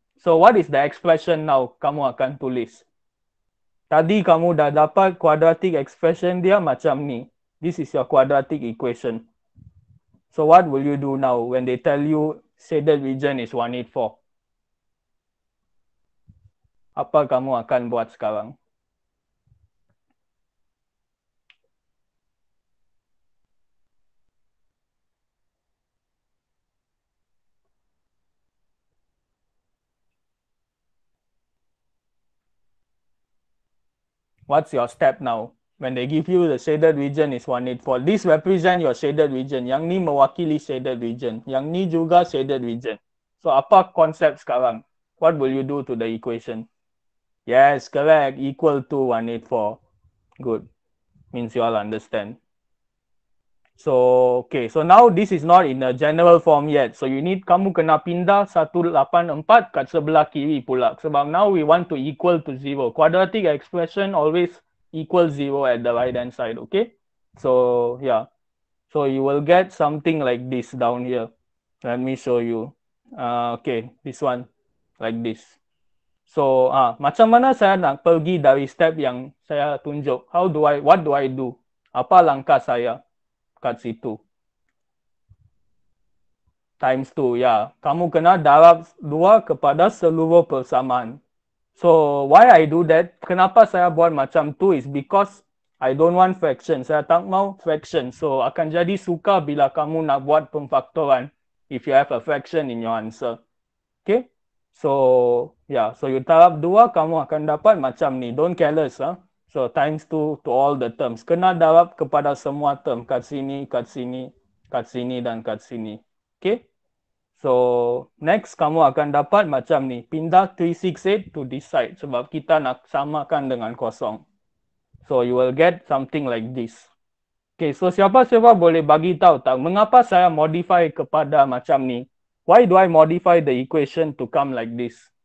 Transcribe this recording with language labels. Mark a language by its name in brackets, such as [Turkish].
[English] So what is the expression now [Malay] kamu akan tulis? Tadi kamu dah dapat [English] quadratic expression dia macam ni. This is your quadratic equation. So what will you do now when they tell you shaded region is 184? [Malay] Apa kamu akan buat sekarang? [English] What's your step now? When they give you the shaded region is 184. This represent your shaded region. [Malay] Yang ni mewakili shaded region. Yang ni juga shaded region. So apa concept sekarang? [English] What will you do to the equation? Yes, correct. Equal to 184. Good. Means you all understand. So, okay. So now this is not in a general form yet. So you need, [Malay] kamu kena pindah 184 kat sebelah kiri pula. Sebab [English] now we want to equal to zero. Quadratic expression always equal zero at the right hand side. Okay. So, yeah. So you will get something like this down here. Let me show you. Okay. This one. Like this. [Malay] So, macam mana saya nak pergi dari step yang saya tunjuk? [English] How do I, what do I do? [Malay] Apa langkah saya? Kat situ. [English] Times 2, ya. Yeah. [Malay] Kamu kena darab 2 kepada seluruh persamaan. [English] So, why I do that? [Malay] Kenapa saya buat macam tu? [English] Is because I don't want fraction. [Malay] Saya tak mau fraction. So, akan jadi suka bila kamu nak buat pemfaktoran [English] if you have a fraction in your answer. [Malay] Okay? So, ya. Yeah. So, you darab 2, kamu akan dapat macam ni. [English] Don't careless, huh? So times 2 to all the terms. [Malay] Kena darab kepada semua term. Kat sini, kat sini, kat sini dan kat sini. Okay. So next kamu akan dapat macam ni. Pindah 368 to this side. Sebab kita nak samakan dengan kosong. [English] So you will get something like this. Okay. [Malay] So siapa-siapa boleh bagi tahu tak? Mengapa saya modify kepada macam ni? [English] Why do I modify the equation to come like this?